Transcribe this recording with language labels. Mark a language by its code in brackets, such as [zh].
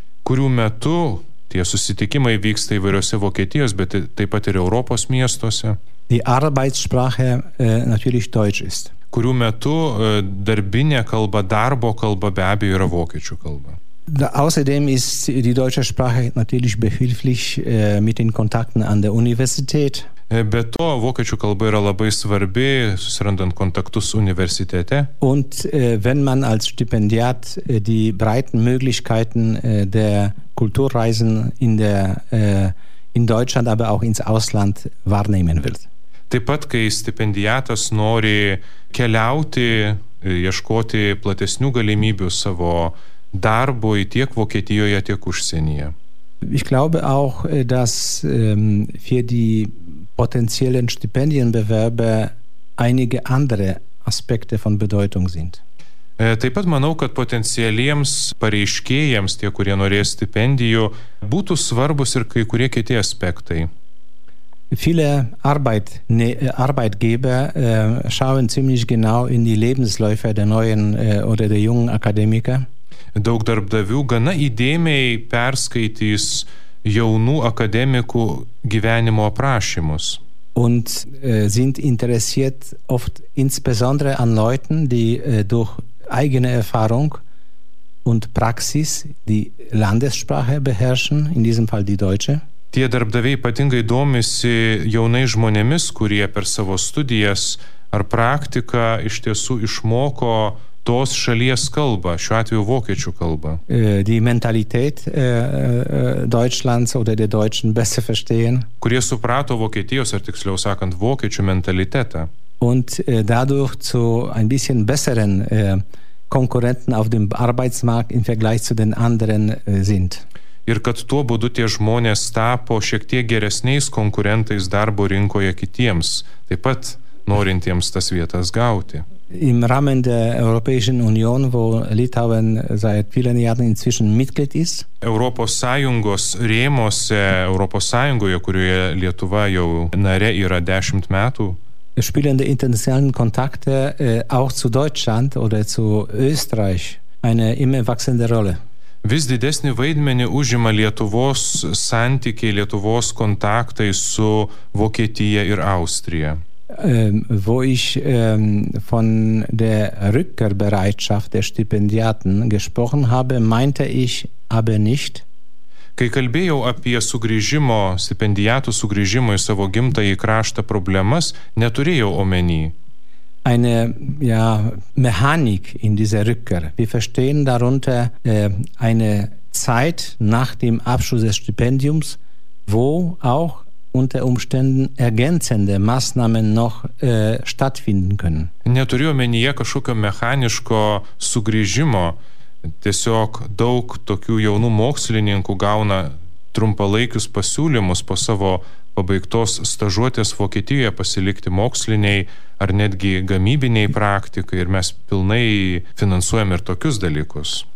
[lt] Kurių metu tie susitikimai vyksta įvairiose Vokietijos, bet taip pat ir Europos miestuose. [de] Die Arbeitssprache natürlich Deutsch ist. [lt] Kurių metu darbinė kalba, darbo kalba be abejo yra vokiečių kalba. [de] Außerdem ist die deutsche Sprache natürlich behilflich mit den Kontakten an der Universität. [lt] Be to, vokiečių kalba yra labai svarbi, susirandant kontaktus universitete. [de] Und wenn man als Stipendiat die breiten Möglichkeiten der Kulturreisen in Deutschland, aber auch ins Ausland wahrnehmen will. [lt] Taip pat, kai stipendiatas nori keliauti, ieškoti platesnių galimybių savo darbui tiek Vokietijoje, tiek užsienyje. [de] Ich glaube auch, dass für die potenziellen Stipendienbewerber einige andere Aspekte von Bedeutung sind. [lt] Taip pat manau, kad potencialiems pareiškėjams, tie, kurie norės stipendijų, būtų svarbus ir kai kurie kiti aspektai. [de] Viele Arbeitgeber schauen ziemlich genau in die Lebensläufe der neuen oder der jungen Akademiker. [lt] Daug darbdavių gana įdėmiai perskaitys jaunų akademikų gyvenimo aprašymus. [de] Und sind interessiert oft insbesondere an Leuten, die durch eigene Erfahrung und Praxis die Landessprache beherrschen, in diesem Fall die Deutsche. [lt] Tie darbdaviai ypatingai domisi jaunais žmonėmis, kurie per savo studijas ar praktiką iš tiesų išmoko tos šalies kalbą, šiuo atveju vokiečių kalbą. [de] Die Mentalität Deutschlands oder der Deutschen besser verstehen. [lt] Kurie suprato Vokietijos, ar tiksliau sakant, vokiečių mentalitetą. [de] Und dadurch zu ein bisschen besseren Konkurrenten auf dem Arbeitsmarkt im Vergleich zu den anderen sind. [lt] Ir kad tuo būdu tie žmonės tapo šiek tiek geresniais konkurentais darbo rinkoje kitiems, taip pat norintiems tas vietas gauti. [de] Im Rahmen der Europäischen Union, wo Litauen seit vielen Jahren inzwischen Mitglied ist. [lt] Europos Sąjungos rėmose, Europos Sąjungoje, kurioje Lietuva jau nare yra 10 metų. [de] Spielende internationalen Kontakte auch zu Deutschland oder zu Österreich eine immer wachsende Rolle. [lt] Vis didesnį vaidmenį užima Lietuvos santykiai, Lietuvos kontaktai su Vokietija ir Austrija. [de] Wo ich von der Rückkehrbereitschaft der Stipendiaten gesprochen habe, meinte ich aber nicht. [lt] Kai kalbėjau apie sugrįžimo, stipendiatų sugrįžimo į savo gimtąjį kraštą problemas, neturėjau omeny. [de] Eine ja, Mechanik in dieser Rückkehr. Wir verstehen darunter eine Zeit nach dem Abschluss des Stipendiums, wo auch unter Umständen ergänzende Maßnahmen noch stattfinden können. [lt] Neturiu omenyje kažkokio mechaniško sugrįžimo. Tiesiog daug tokių jaunų mokslininkų gauna trumpalaikius pasiūlymus po savo pabaigtos stažuotės Vokietijoje pasilikti moksliniai ar netgi gamybiniai praktikai ir mes pilnai finansuojam ir tokius dalykus.